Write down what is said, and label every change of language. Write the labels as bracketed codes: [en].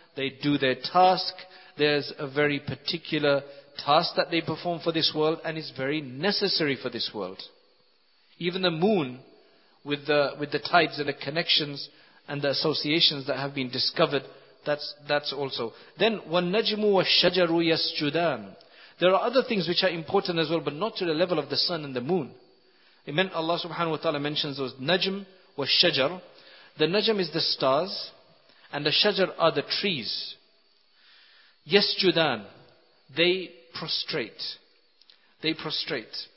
[en] They do their task. There's a very particular task that they perform for this world, and it's very necessary for this world. Even the moon, with the tides and the connections and the associations that have been discovered, that's also. [ar] Then وَالنَّجْمُ وَالشَّجَرُ يَسْجُدَانِ. [en] There are other things which are important as well, but not to the level of the sun and the moon. It meant Allah subhanahu wa ta'ala mentions those najm wa shajar. The najm is the stars, and the shajar are the trees. Yasjudan, they prostrate. They prostrate.